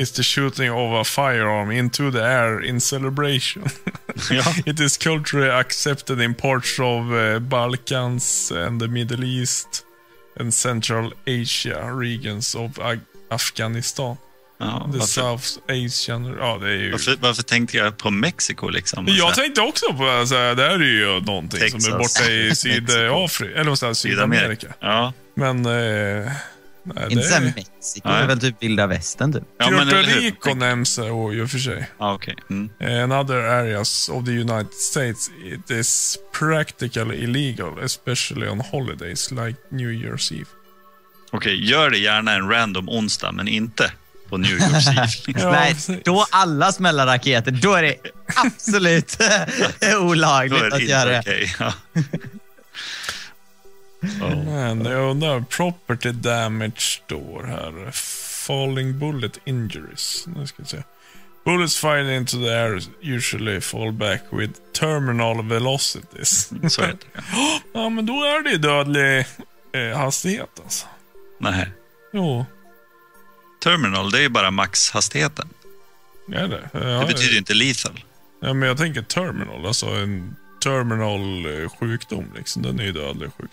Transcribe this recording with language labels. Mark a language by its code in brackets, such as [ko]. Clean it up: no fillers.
[en] It's the shooting of a firearm into the air in celebration. It is culturally accepted in parts of Balkans and the Middle East and Central Asia regions of Afghanistan. [sv] Ja, [en] the South Asian. [sv] Ja, det är ju... varför tänkte jag på Mexiko liksom? Jag tänkte också på alltså, det här är ju någonting Texas. Som är borta i Sydafrika eller någonstans Sydamerika. Ja. Men inte Mexiko, det är väl typ vilda västern du. Ja, men Puerto Rico nämns ju för sig. [en] Okay. Mm. Another areas of the United States it is practically illegal especially on holidays like New Year's Eve. [sv] Okej, gör det gärna en random onsdag men inte på New York. Nej, då alla smäller raketer, då är det absolut olagligt det att göra det. Okay, ja. Men jag undrar, [en] property damage [sv] står här. [en] Falling bullet injuries. [sv] Nu ska jag se. [en] Bullets fired into the air usually fall back with terminal velocities. [sv] Så heter det. Ja, men då är det dödlig hastighet alltså. Nej. Jo. Terminal, det är ju bara maxhastigheten. Är det? Det betyder ju inte lethal. Ja, men jag tänker terminal, alltså en terminal sjukdom liksom. Den är ju dödlig sjukdom.